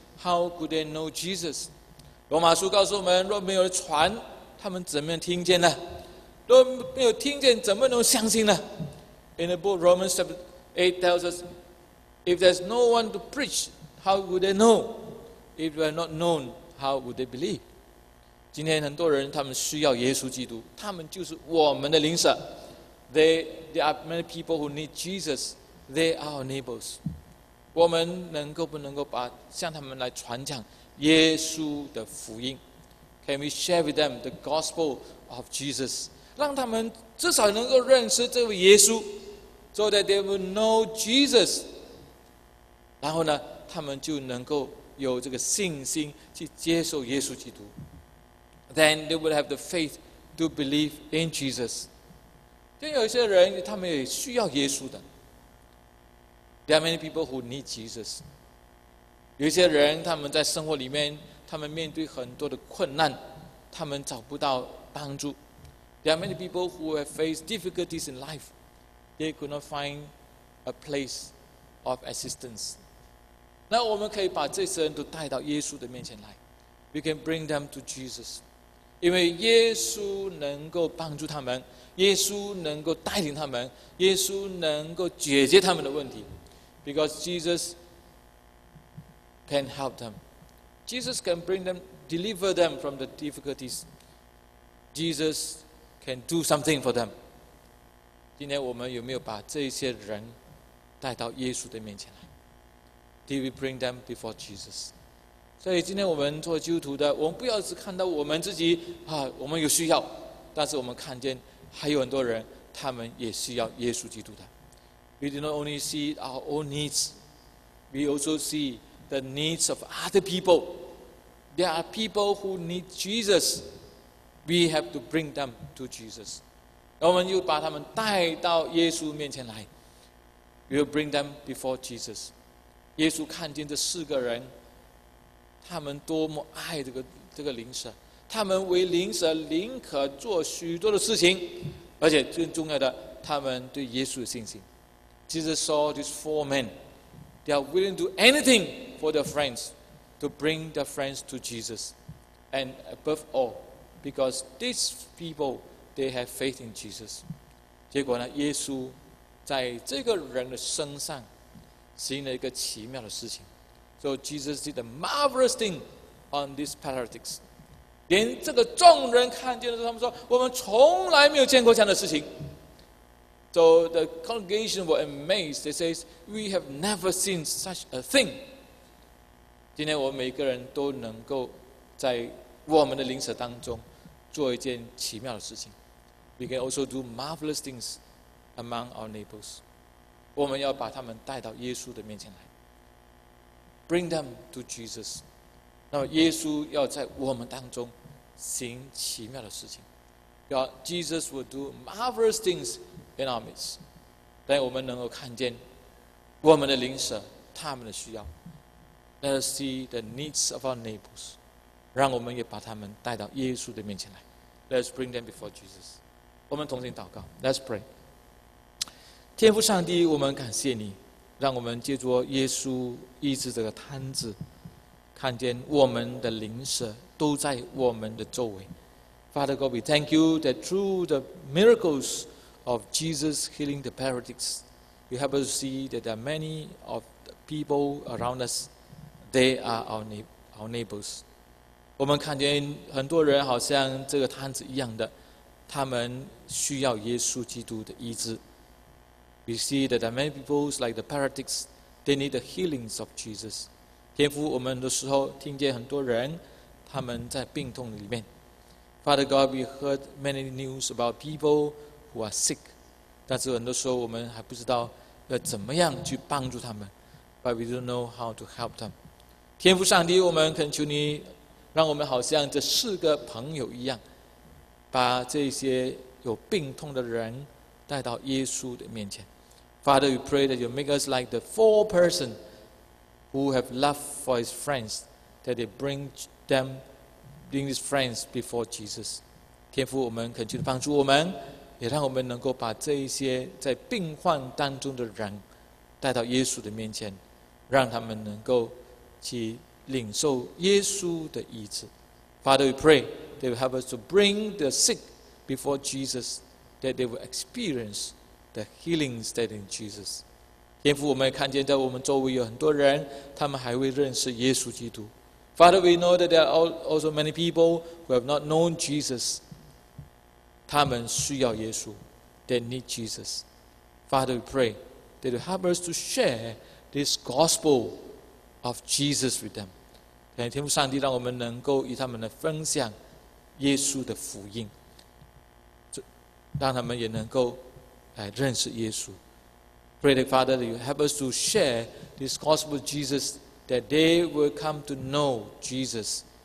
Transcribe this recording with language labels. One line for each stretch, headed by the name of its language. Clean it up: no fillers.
English: How could they know Jesus?
Chinese: 罗马书告诉我们，若没有传，他们怎么听见呢？若没有听见，怎么能相信呢？
English: In the book Romans chapter 8 tells us, if there's no one to preach, how would they know? If they are not known, how would they believe?
Chinese: 今天很多人他们需要耶稣基督，他们就是我们的邻舍。
English: There are many people who need Jesus. They are our neighbors.
Chinese: 我们能够不能够把向他们来传讲耶稣的福音？
English: Can we share with them the gospel of Jesus?
Chinese: 让他们至少能够认识这位耶稣，
English: so that they will know Jesus.
Chinese: 然后呢，他们就能够有这个信心去接受耶稣基督。
English: Then they will have the faith to believe in Jesus.
Chinese: 因为有些人他们也需要耶稣的。
English: There are many people who need Jesus.
Chinese: 有些人他们在生活里面，他们面对很多的困难，他们找不到帮助。
English: There are many people who have faced difficulties in life. They could not find a place of assistance.
Chinese: 那我们可以把这些人都带到耶稣的面前来。
English: We can bring them to Jesus.
Chinese: 因为耶稣能够帮助他们，耶稣能够带领他们，耶稣能够解决他们的问题。
English: Because Jesus can help them. Jesus can bring them, deliver them from the difficulties. Jesus can do something for them.
Chinese: 今天我们有没有把这些人带到耶稣的面前来？
English: Did we bring them before Jesus?
Chinese: 所以今天我们做基督徒的，我们不要只看到我们自己啊，我们有需要，但是我们看见还有很多人，他们也需要耶稣基督的。
English: We do not only see our own needs, we also see the needs of other people. There are people who need Jesus. We have to bring them to Jesus.
Chinese: 我们又把他们带到耶稣面前来。
English: We will bring them before Jesus.
Chinese: 耶稣看见这四个人，他们多么爱这个灵舍。他们为灵舍宁可做许多的事情，而且最重要的，他们对耶稣的信心。
English: Jesus saw these four men. They are willing to do anything for their friends to bring their friends to Jesus. And above all, because these people, they have faith in Jesus.
Chinese: 结果呢，耶稣在这个人的身上行了一个奇妙的事情。
English: So Jesus did a marvelous thing on these paralytics.
Chinese: 连这个众人看见的时候，他们说：“我们从来没有见过这样的事情。”
English: So the congregation were amazed. They say, "We have never seen such a thing."
Chinese: 今天我们每个人都能够在我们的灵舍当中做一件奇妙的事情。
English: We can also do marvelous things among our neighbors.
Chinese: 我们要把他们带到耶稣的面前来。
English: Bring them to Jesus.
Chinese: 那么耶稣要在我们当中行奇妙的事情。
English: God, Jesus will do marvelous things in our midst.
Chinese: 但我们能够看见我们的灵舍，他们的需要。
English: Let us see the needs of our neighbors.
Chinese: 让我们也把他们带到耶稣的面前来。
English: Let us bring them before Jesus.
Chinese: 我们同心祷告。
English: Let's pray.
Chinese: 天父上帝，我们感谢你，让我们借着耶稣医治这个瘫子，看见我们的灵舍都在我们的周围。
English: Father God, we thank you that through the miracles of Jesus healing the paralytics, you help us see that there are many of the people around us, they are our neighbors.
Chinese: 我们看见很多人好像这个瘫子一样的，他们需要耶稣基督的医治。
English: We see that there are many people like the paralytics, They need the healings of Jesus.
Chinese: 天父，我们的时候听见很多人他们在病痛里面。
English: Father God, we heard many news about people who are sick.
Chinese: 但是很多时候我们还不知道要怎么样去帮助他们。
English: But we don't know how to help them.
Chinese: 天父上帝，我们恳求你让我们好像这四个朋友一样，把这些有病痛的人带到耶稣的面前。
English: Father, we pray that you make us like the four persons who have love for his friends, that they bring his friends before Jesus.
Chinese: 天父，我们恳求帮助我们，也让我们能够把这些在病患当中的人带到耶稣的面前，让他们能够去领受耶稣的医治。
English: Father, we pray that you help us to bring the sick before Jesus, that they will experience the healing that in Jesus.
Chinese: 天父，我们看见在我们周围有很多人，他们还未认识耶稣基督。
English: Father, we know that there are also many people who have not known Jesus.
Chinese: 他们需要耶稣，
English: they need Jesus. Father, we pray that you help us to share this gospel of Jesus with them.
Chinese: 天父上帝，让我们能够与他们来分享耶稣的福音，让他们也能够来认识耶稣。
English: Pray that Father, that you help us to share this gospel of Jesus, that they will come to know Jesus.